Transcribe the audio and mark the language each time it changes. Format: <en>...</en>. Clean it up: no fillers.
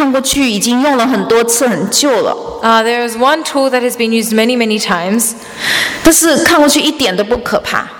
<zh>在旁边呢，就有一个工具，看过去已经用了很多次，很旧了。</zh> <en>There is one tool that has been used many, many times.</en> <zh>但是看过去一点都不可怕。</zh>